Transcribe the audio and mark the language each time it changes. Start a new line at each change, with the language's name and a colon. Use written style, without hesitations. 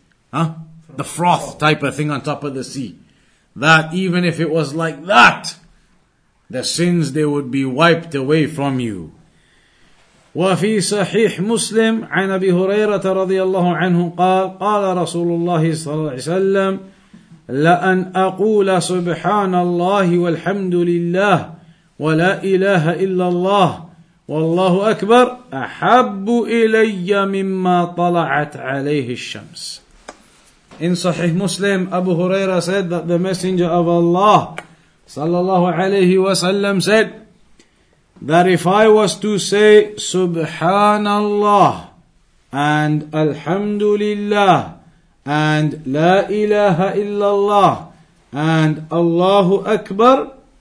English: The froth type of thing on top of the sea. That even if it was like that, the sins they would be wiped away from you.
Arabic: وفي صحيح مسلم عن أبي هريرة رضي الله عنه قال قال رسول الله صلى الله عليه وسلم لأن أقول سبحان الله والحمد لله ولا إله إلا الله والله أكبر أحب إلي مما طلعت عليه الشمس.
English: In Sahih Muslim, Abu Huraira said that the Messenger of Allah sallallahu alayhi wa sallam said that if I was to say Subhanallah and Alhamdulillah and La ilaha illallah and Allahu Akbar,